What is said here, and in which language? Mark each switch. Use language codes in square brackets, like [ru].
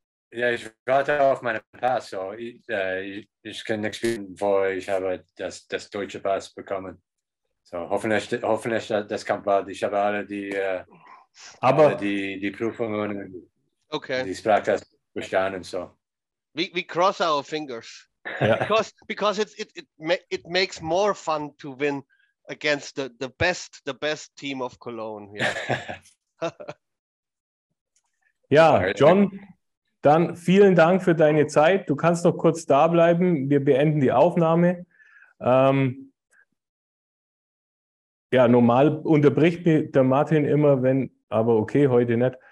[de] Ich warte auf meinen Pass, so ich kann nichts spielen, bevor ich habe das deutsche Pass bekommen. So hoffentlich das kommt bald. Ich habe alle die Prüfungen, die Sprachtest bestanden. So. [en] We cross our fingers because it makes more fun to win against the best team of Cologne. Yeah. [de] Ja, John, dann vielen Dank für deine Zeit. Du kannst noch kurz da bleiben. Wir beenden die Aufnahme. Normal unterbricht mich der Martin immer, wenn, aber okay, heute nicht.